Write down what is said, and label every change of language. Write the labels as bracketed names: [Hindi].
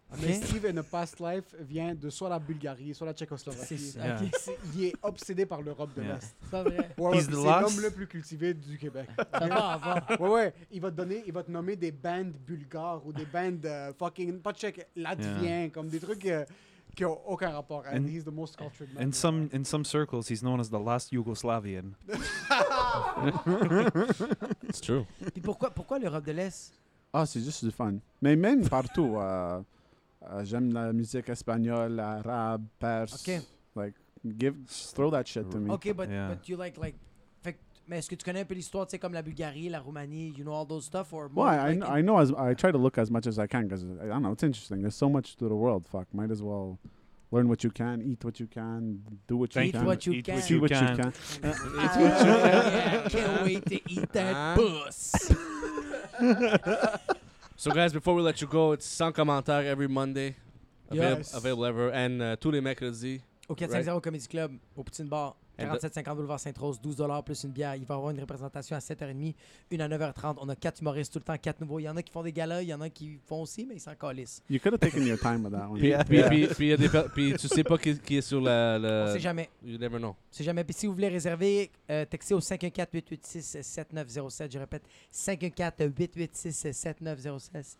[French] Mais Steve [English] in a past life [French] vient de soit la Bulgarie, soit la Tchécoslovaquie. Il est obsédé par l'Europe de l'Est. C'est vrai. Ouais, c'est l'homme le plus cultivé du Québec. Ouais. Il va te nommer des bands bulgares ou des bands fucking pas tchèques, latviens, comme des trucs. Qui n'ont aucun rapport. [English] And he's the most cultured man. In some circles, he's known as the last Yugoslavian. It's true. [French] Puis pourquoi l'Europe de l'Est? Ah, c'est juste du fun. Mais même partout. J'aime la musique espagnole, arabe, perse. [English] Okay. Like, throw that shit to me. Okay, but you like [French] mais est-ce que tu connais un peu l'histoire, tu sais, comme la Bulgarie, la Roumanie, [English] you know all those stuff? Or well, I know. I try to look as much as I can because, I don't know, it's interesting. There's so much to the world, fuck. Might as well learn what you can, eat what you can, do what you can. Eat what you can. Eat what you can. Eat what you can. Can't wait to eat that puss. So, guys, before we let you go, it's Sans Commentaire every Monday. Available ever. And [French] tous les mercredis. Au 450 Comedy Club, au Poutine Bar. 4750 boulevard Sainte-Rose, $12 plus une bière. Il va y avoir une représentation à 7h30, une à 9h30. On a 4 humoristes tout le temps, 4 nouveaux. Il y en a qui font des galas, il y en a qui font aussi, mais ils s'en calissent. [English] You could have taken your time with that one. [French] Puis tu sais pas qui est sur la. On sait jamais. [English] You never know. [French] C'est jamais. Puis si vous voulez réserver, textez au 514-886-7907. Je répète, 514-886-7907.